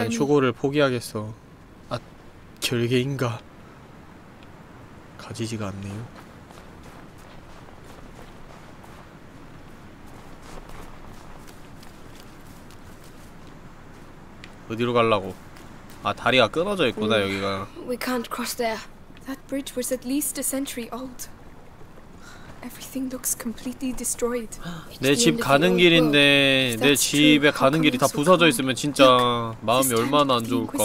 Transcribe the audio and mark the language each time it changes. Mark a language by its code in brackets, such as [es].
[ko] 난 휴고를 포기하겠어. 아, 결계인가? 가지지가 않네요. 어디로 가려고? 아 다리가 끊어져 있구나 여기가. [en] We can't cross there. That bridge was at least a century old. Everything looks completely destroyed. [ko] 내 집 가는 길인데 내 집에 가는 길이 다 부서져 있으면 진짜 마음이 얼마나 안 좋을까.